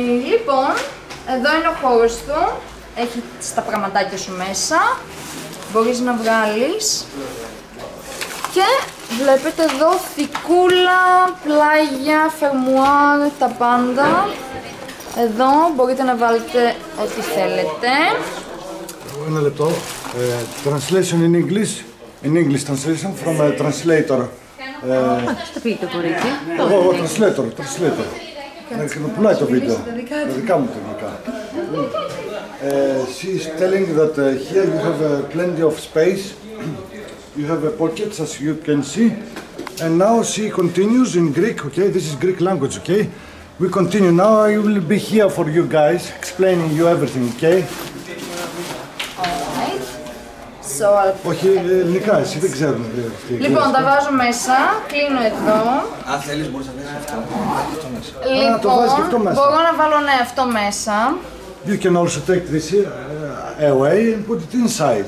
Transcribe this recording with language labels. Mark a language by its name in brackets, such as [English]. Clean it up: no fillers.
[Greek] Λοιπόν, εδώ είναι ο χώρος του. Έχει τα πραγματάκια σου μέσα. Μπορείς να βγάλεις. Και βλέπετε εδώ θικούλα, πλάγια, φερμουάρ, τα πάντα. Εδώ μπορείτε να βάλετε ό,τι θέλετε. Ένα λεπτό. [English] Translation in English. In English translation from a translator. [Greek] Θα πείτε το κορίτσι. Εγώ, [English] translator, translator. [Greek] Να πουλάει το βίντεο, τα δικά μου τεχνικά. [English] She's telling that here you have plenty of space. You have pockets, as you can see. And now she continues in Greek, okay? This is Greek language, okay? We continue. Now I will be here for you guys, explaining you everything, okay? [Greek] Όχι, ελληνικά, εσύ δεν ξέρουν. Λοιπόν, τα βάζω μέσα, κλείνω εδώ. Αν θέλεις μπορείς να βάλεις αυτό μέσα. Λοιπόν, το βάζεις και αυτό μέσα. Μπορώ να βάλω ναι, αυτό μέσα. [English] You can also take this away and put it inside.